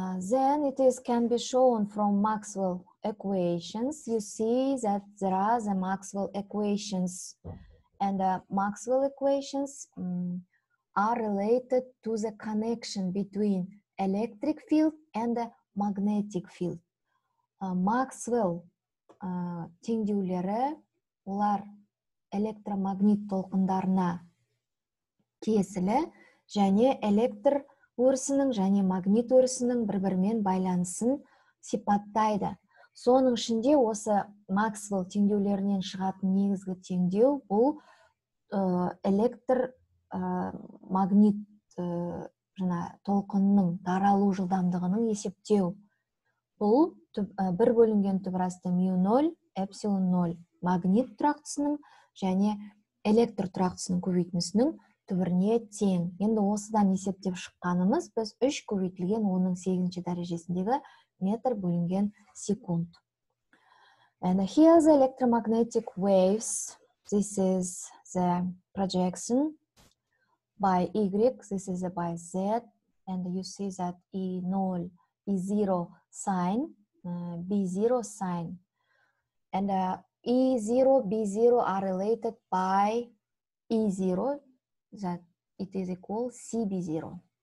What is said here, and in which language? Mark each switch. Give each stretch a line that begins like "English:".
English: Then it is can be shown from Maxwell equations. You see that there are the Maxwell equations, and the Maxwell equations are related to the connection between electric field and the magnetic field.
Kazakh: Maxwell теңдеулері, олар электромагнит толқындарына тиесілі, және электр өрісінің және магнит өрісінің бір-бірімен байланысын сипаттайды. Соның ішінде осы Максвелл теңдеулерінен шығатын негізгі теңдеу бұл электр магнит жаңа толқынның таралу жылдамдығының есептеу. Бұл бір бөлінген түбірасты мю 0, эпсилон 0 магнит тұрақтысының және электр тұрақтысының көбейтінісінің түбіріне тең. Енді осыдан есептеп шыққанымыз біз 3 көбейтілген 10-ның 8-ші дәрежесіндегі метр бөлінген секунд.
English: And here the electromagnetic waves. This is the projection by Y. This is by Z. And you see that E0, E0 sign, B0 sign. And E0, B0 are related by E0, that it is equal CB0.